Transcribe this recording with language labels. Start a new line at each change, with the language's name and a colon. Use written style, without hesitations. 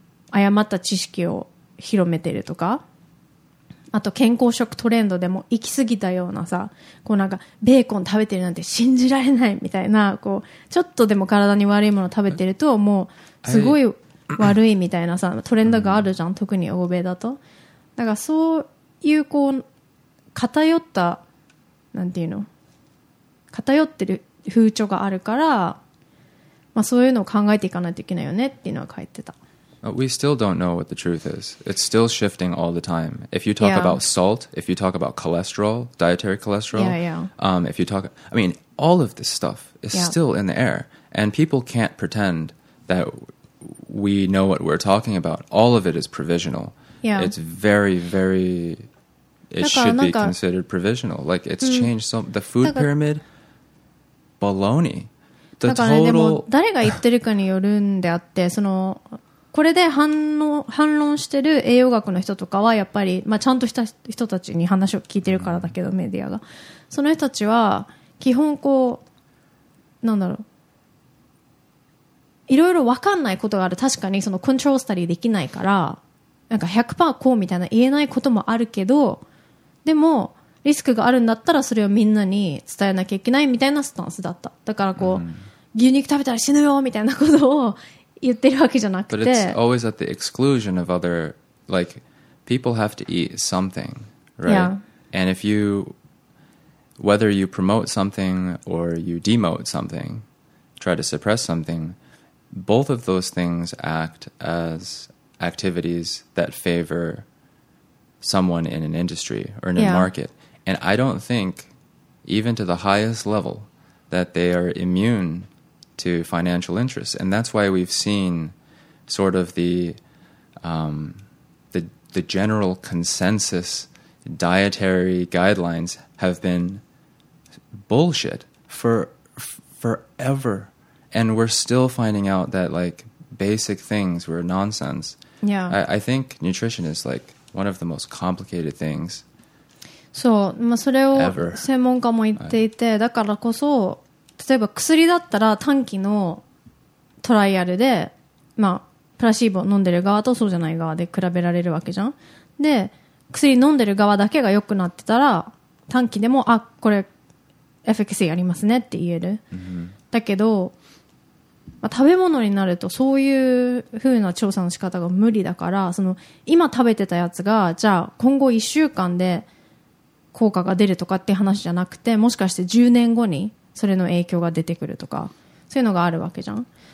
Japanese: 誤った知識を広めてるとか、あと健康食トレンドでも行き過ぎたようなさ、こうなんかベーコン食べてるなんて信じられないみたいな、こうちょっとでも体に悪いもの食べてるともうすごい悪いみたいなさ、トレンドがあるじゃん、特に欧米だと。だからそういうこう偏ったなんていうの、偏ってる風潮があるから、まあ、そういうのを考えていかないといけないよねっていうのは書いてた。
English: But we still don't know what the truth is. It's still shifting all the time. If you talk about salt, if you talk about cholesterol, dietary cholesterol, if you talk, I mean, all of this stuff is still in the air. And people can't pretend that we know what we're talking about. All of it is provisionalit's very, very, it should be considered provisional. Like, it's changed some, the food pyramid, baloney. the total...
Japanese: なんかね、でも誰が言ってるかによるんであって、そのこれで反論してる栄養学の人とかはやっぱり、まあ、ちゃんとした人たちに話を聞いてるからだけど、メディアがその人たちは基本こうなんだろう、いろいろ分かんないことがある。確かにそのコントロールスタディできないからなんか 100% こうみたいな言えないこともあるけど、でもリスクがあるんだったらそれをみんなに伝えなきゃいけないみたいなスタンスだった。だからこう、牛肉食べたら死ぬよみたいなことを言ってるわけじゃなくて、
English: But it's always at the exclusion of other, like, people have to eat something, right? Yeah. And if you, whether you promote something or you demote something, try to suppress something, both of those things act as activities that favor someone in an industry or in a market. And I don't think, even to the highest level, that they are immune to financial interests. And that's why we've seen sort of the general consensus dietary guidelines have been bullshit forever. And we're still finding out that like basic things were nonsense. Yeah. I think nutrition is like one of the most complicated things.
Japanese: そう、まあ、それを専門家も言っていて、だからこそ例えば薬だったら短期のトライアルで、まあ、プラシーボ飲んでる側とそうじゃない側で比べられるわけじゃん。で薬飲んでる側だけが良くなってたら短期でもあこれエフェクシーありますねって言える、だけど、まあ、食べ物になるとそういう風な調査の仕方が無理だから、その今食べてたやつがじゃあ今後1週間で効果が出るとかって話じゃなくて、もしかして10年後にそれの影響が出てくるとかそういうのがあるわけじゃん。